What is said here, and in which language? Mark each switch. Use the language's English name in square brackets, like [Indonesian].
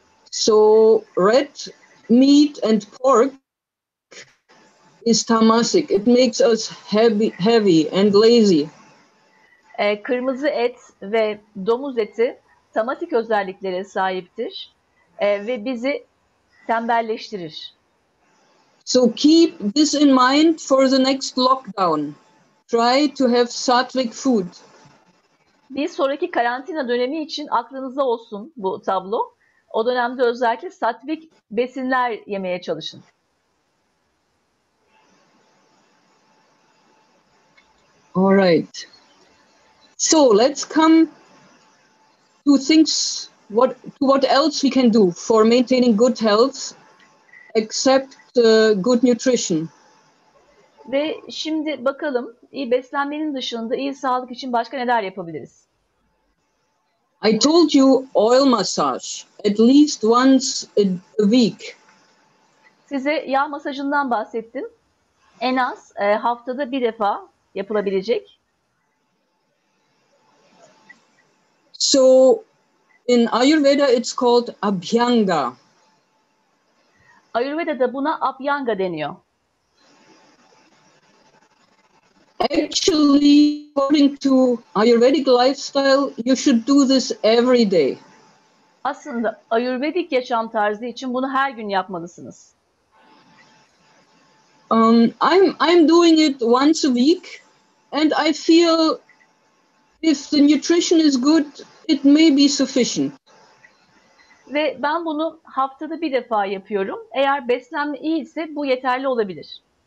[English] So red meat and pork is tamasic. It makes us heavy and lazy. [Turkish] Kırmızı et ve domuz eti tamatik özelliklere sahiptir ve bizi tembelleştirir. [English] So keep this in mind for the next lockdown. Try to have sattvic food. [Turkish] Bir sonraki karantina dönemi için aklınızda olsun bu tablo. O dönemde özellikle sattvic besinler yemeye çalışın. [English] All right. So let's come to things, what else we can do for maintaining good health except good nutrition. [Turkish] Ve şimdi bakalım iyi beslenmenin dışında iyi sağlık için başka neler yapabiliriz? [English] I told you oil massage at least once a week. [Turkish] Size yağ masajından bahsettim. En az haftada bir defa yapılabilecek. [English] So in Ayurveda it's called Abhyanga. [Turkish] Ayurveda'da buna Abhyanga deniyor. [English] Actually, according to Ayurvedic lifestyle, you should do this every day. [Turkish] Aslında Ayurvedik yaşam tarzı için bunu her gün yapmalısınız. [English] I'm doing it once a week and I feel if the nutrition is good, it may be sufficient. [Turkish] Ve ben bunu haftada bir defa yapıyorum. Eğer beslenme iyi ise bu yeterli olabilir.